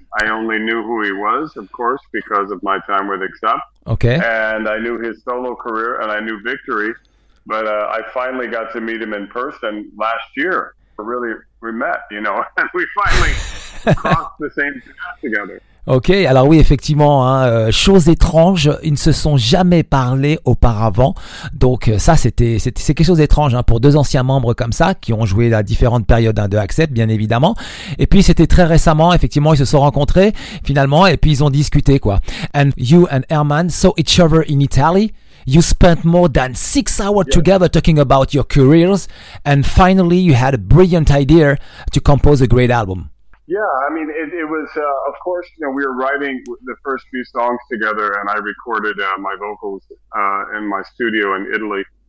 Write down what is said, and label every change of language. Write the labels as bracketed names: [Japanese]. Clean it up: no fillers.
[English] I only knew who he was, of course, because of my time with Accept. Okay. And I knew his solo career, and I knew Victory. But I finally got to meet him in person last year. Really, we met, you know, and we finally crossed the same path together. [French] Ok, alors oui, effectivement, hein, chose étrange, ils ne se sont jamais parlé auparavant, donc ça c'était quelque chose d'étrange hein, pour deux anciens membres comme ça, qui ont joué à différentes périodes hein, de Accept, bien évidemment, et puis c'était très récemment, effectivement, ils se sont rencontrés, finalement, et puis ils ont discuté, quoi. [English] And you and Herman saw each other in Italy, you spent more than 6 hours together talking about your careers, and finally you had a brilliant idea to compose a great album. Yeah, I mean, it was, of course, you know, we were writing the first few songs together, and I recorded my vocals in my studio in Italy.